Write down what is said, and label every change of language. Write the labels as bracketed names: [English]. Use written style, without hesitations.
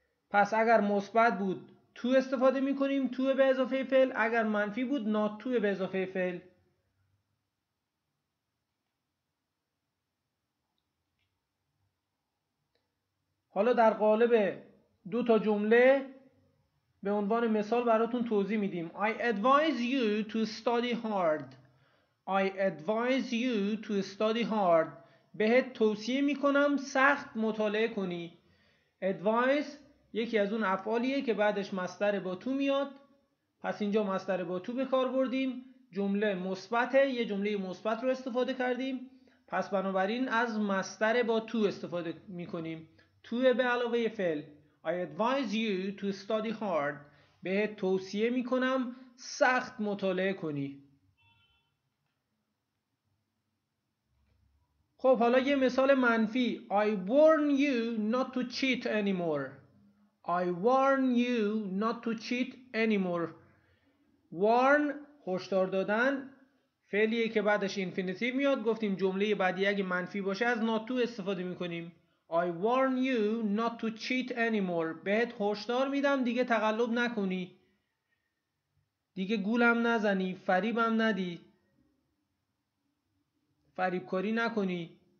[Persian] پس اگر مثبت بود تو استفاده میکنیم، تو به اضافه فعل. اگر منفی بود not to به اضافه فعل. حالا در قالب دو تا جمله به عنوان مثال براتون توضیح میدیم. [English] I advise you to study hard. I advise you to study hard. [Persian] بهت توصیه میکنم سخت مطالعه کنی. Advise یکی از اون افعالیه که بعدش مصدر با تو میاد. پس اینجا مصدر با تو به کار بردیم. جمله مثبته، یه جمله مثبت رو استفاده کردیم. پس بنابراین از مصدر با تو استفاده میکنیم. تو به علاوه فعل. [English] I advise you to study hard. [Persian] بهت توصیه میکنم سخت مطالعه کنی. خب حالا یه مثال منفی. [English] I warn you not to cheat anymore. I warn you not to cheat anymore. [Persian] Warn هشدار دادن، فعلیه که بعدش infinitive میاد. گفتیم جمله بعدی اگه منفی باشه از not to استفاده میکنیم. [English] I warn you not to cheat anymore. [Persian] بهت هشدار میدم دیگه تقلب نکنی. دیگه گولم نزنی، فریبم ندی. فریبکاری نکنی.